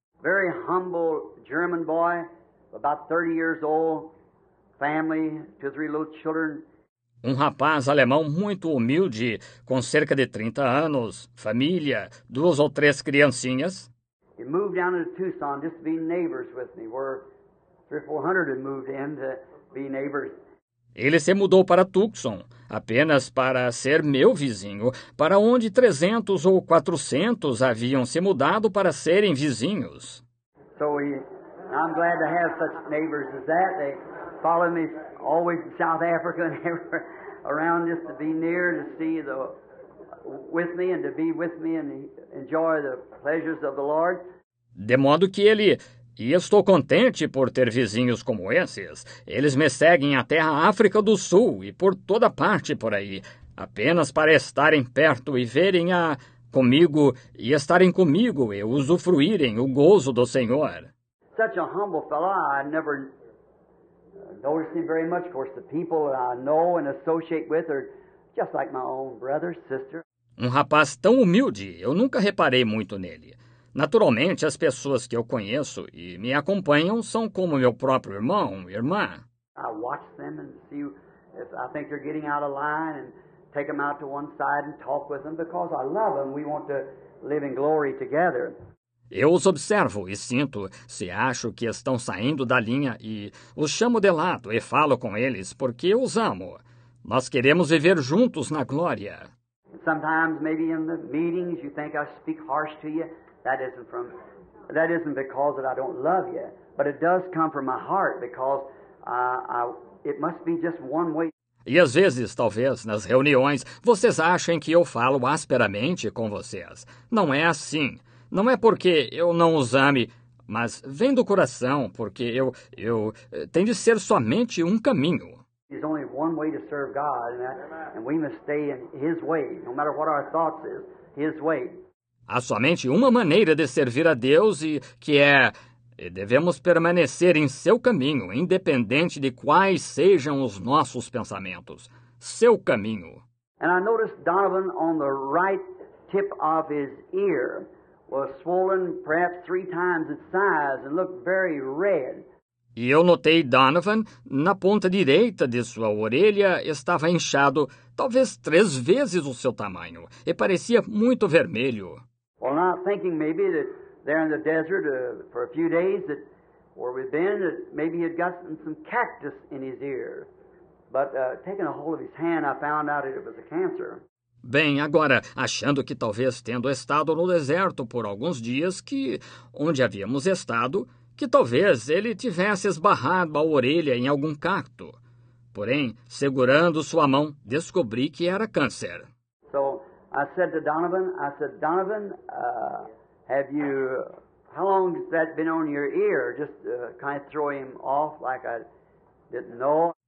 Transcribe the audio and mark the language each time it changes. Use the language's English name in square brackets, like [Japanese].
[English] Very humble German boy, about 30 years old, family, two or three little children. [Portuguese] Um rapaz alemão muito humilde, com cerca de 30 anos, família, duas ou três criancinhas. [English] He moved down to Tucson just to be neighbors with me. We're 300 or 400 and moved in to be neighbors. [Portuguese] Ele se mudou para Tucson apenas para ser meu vizinho, para onde 300 ou 400 haviam se mudado para serem vizinhos. [English] So I'm glad to have such neighbors as that. They follow me always to South Africa and around just to be near to see the with me and to be with me and enjoy the pleasures of the Lord. [Portuguese] De modo que ele E estou contente por ter vizinhos como esses. Eles me seguem até a África do Sul e por toda parte por aí, apenas para estarem perto e verem a comigo e estarem comigo e usufruírem o gozo do Senhor. [English] Such a humble fellow, I never noticed him very much. Of course, the people that I know and associate with are just like my own brother, sister. [Portuguese] Um rapaz tão humilde, eu nunca reparei muito nele. Naturalmente, as pessoas que eu conheço e me acompanham são como meu próprio irmão, irmã. [English] I watch them and see if I think they're getting out of line and take them out to one side and talk with them because I love them. We want to live in glory together. [Portuguese] Eu os observo e sinto se acho que estão saindo da linha e os chamo de lado e falo com eles porque eu os amo. Nós queremos viver juntos na glória. [English] Sometimes, maybe in the meetings, you think I speak harsh to you. That isn't because that I don't love you, but it does come from my heart because it must be just one way. [Portuguese] E às vezes, talvez, nas reuniões, vocês achem que eu falo asperamente com vocês. Não é assim. Não é porque eu não os ame, mas vem do coração, porque eu tem de ser somente um caminho. [English] There's only one way to serve God, and we must stay in His way, no matter what our thoughts is, His way. [Portuguese] Há somente uma maneira de servir a Deus e que é e devemos permanecer em seu caminho, independente de quais sejam os nossos pensamentos. Seu caminho. [English] And I noticed Donovan on the right tip of his ear was swollen perhaps 3 times its size and looked very red. [Portuguese] E eu notei Donovan na ponta direita de sua orelha estava inchado talvez 3 vezes o seu tamanho e parecia muito vermelho. [English] Well, not thinking maybe that there in the desert for a few days that where we've been, that maybe he had gotten some cactus in his ear. But taking a hold of his hand, I found out that it was a cancer. [Portuguese] Bem, agora, achando que talvez tendo estado no deserto por alguns dias, que onde havíamos estado, que talvez ele tivesse esbarrado a orelha em algum cacto. Porém, segurando sua mão, descobri que era câncer. [English] So, I said to Donovan, I said, Donovan, have you, how long has that been on your ear? Just kind of throw him off like I didn't know.